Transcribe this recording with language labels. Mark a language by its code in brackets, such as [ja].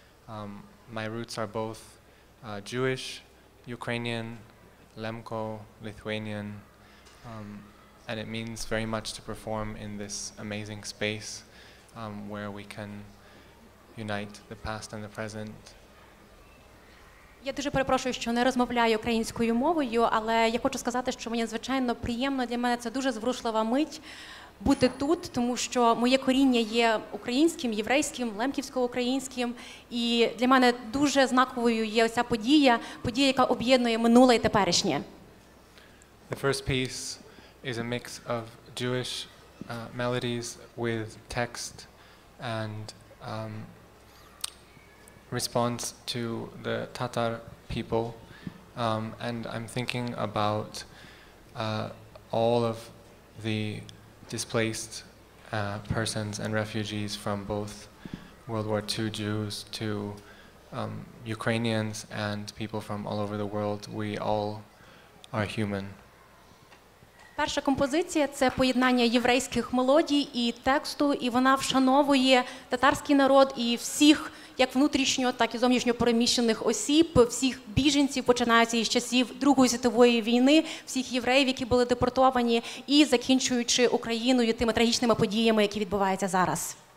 [en] My roots are both Jewish, Ukrainian, Lemko, Lithuanian. And it means very much to perform in this amazing space. Where we can unite the past and the present. [uk] Я дуже перепрошую, що не розмовляю українською мовою, але я хочу сказати, що мені надзвичайно приємно, для мене це дуже зворушлива мить бути тут, тому що моє коріння є українським, єврейським, лемківсько-українським, і для мене дуже знаковою є ця подія, подія, яка об'єднує минуле і теперішнє. [en] The first piece is a mix of Jewish melodies with text and response to the Tatar people, and I'm thinking about all of the displaced persons and refugees from both World War II Jews to Ukrainians and people from all over the world. We all are human. [uk] Перша композиція – це поєднання єврейських мелодій і тексту, і вона вшановує татарський народ і всіх, як внутрішньо, так і зовнішньо переміщених осіб, всіх біженців, починаючи із часів Другої світової війни, всіх євреїв, які були депортовані, і закінчуючи Україною тими трагічними подіями, які відбуваються зараз.